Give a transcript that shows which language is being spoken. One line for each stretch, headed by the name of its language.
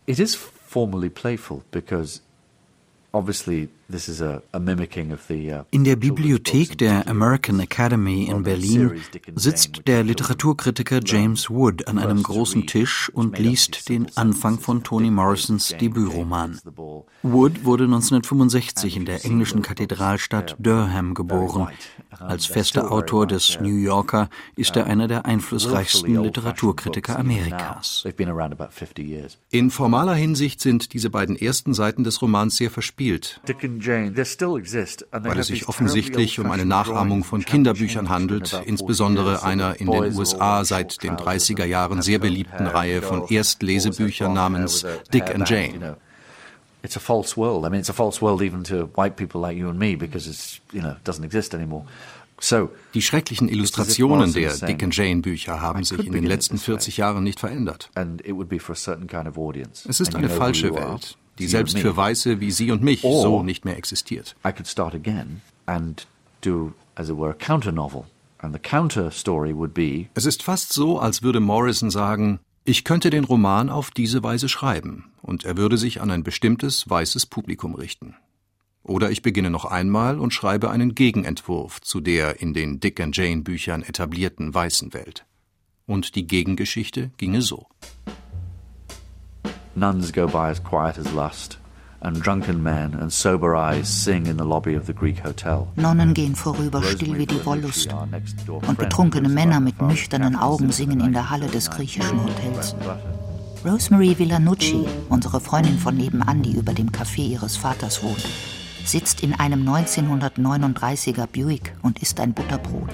English: It is formally playful because obviously, this is a mimicking of the.
German: In der Bibliothek der American Academy in Berlin sitzt der Literaturkritiker James Wood an einem großen Tisch und liest den Anfang von Toni Morrisons Debütroman. Wood wurde 1965 in der englischen Kathedralstadt Durham geboren. Als fester Autor des New Yorker ist er einer der einflussreichsten Literaturkritiker Amerikas. In formaler Hinsicht sind diese beiden ersten Seiten des Romans sehr verspielt, weil es sich offensichtlich um eine Nachahmung von Kinderbüchern handelt, insbesondere einer in den USA seit den 30er Jahren sehr beliebten Reihe von Erstlesebüchern namens Dick and Jane.
English: It's a false world. I mean, it's a false world even to white people like you and me, because it's, you know, doesn't exist anymore. So,
German: die schrecklichen Illustrationen der Dick and Jane Bücher haben sich in den letzten 40 Jahren nicht verändert.
English: And it would be for a certain kind of audience.
German: Es ist eine falsche Welt, die selbst für Weiße wie Sie und mich so nicht mehr existiert.
English: I could start again and do, as it were, a counter novel, and the counter story would be.
German: Es ist fast so, als würde Morrison sagen: Ich könnte den Roman auf diese Weise schreiben und er würde sich an ein bestimmtes weißes Publikum richten. Oder ich beginne noch einmal und schreibe einen Gegenentwurf zu der in den Dick and Jane Büchern etablierten weißen Welt. Und die Gegengeschichte ginge so.
English: Nuns go by as quiet as lust, and drunken men and sober eyes sing in the lobby of the Greek Hotel.
German: Nonnen gehen vorüber, still wie die Wollust, und betrunkene Männer mit nüchternen Augen singen in der Halle des griechischen Hotels. Rosemary Villanucci, unsere Freundin von nebenan, die über dem Café ihres Vaters wohnt, sitzt in einem 1939er Buick und isst ein Butterbrot.